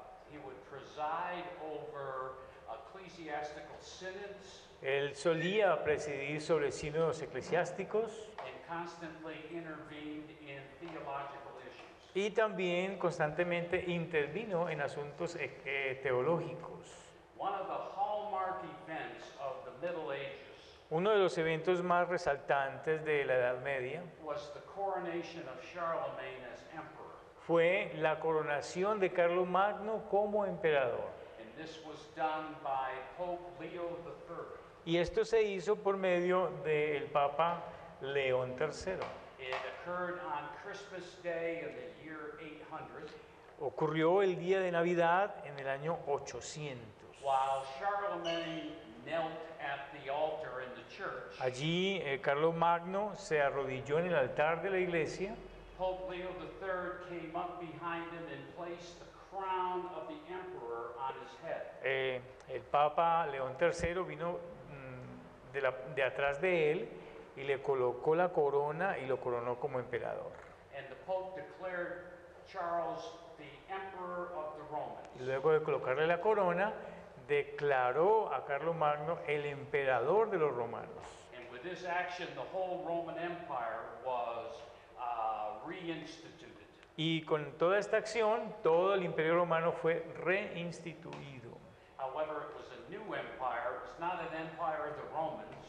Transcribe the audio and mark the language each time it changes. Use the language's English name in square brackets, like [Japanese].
[English] He would preside over ecclesiastical synods. [Spanish] Él solía presidir sobre sínodos eclesiásticos. [English] And constantly intervened in theological issues. [Spanish] Y también constantemente intervino en asuntos teológicos. [English] One of the hallmark events of the Middle Ages. [Spanish] Uno de los eventos más resaltantes de la Edad Media [English] was the coronation of Charlemagne as emperor. [Spanish] Fue la coronación de Carlomagno como emperador. [English] And this was done by Pope Leo III. [Spanish] Y esto se hizo por medio del Papa León III. [English] It occurred on Christmas Day in the year 800. [Spanish] Ocurrió el día de Navidad en el año 800. [English] While Charlemagne knelt at the altar in the church. [Spanish] Allí Carlomagno se arrodilló en el altar de la iglesia. [English] Pope Leo III came up behind him and placed the crown of the emperor on his head. [Spanish] El Papa León III vino de atrás de él y le colocó la corona y lo coronó como emperador. [English] And the Pope declared Charles the emperor of the Romans. [Spanish] Y luego de colocarle la corona, declaró a Carlomagno el emperador de los romanos. [English] And with this action, the whole Roman Empire was reinstituted. [Spanish] Y con toda esta acción, todo el Imperio Romano fue reinstituido. [English] However, it was a new empire. It was not an empire of the Romans.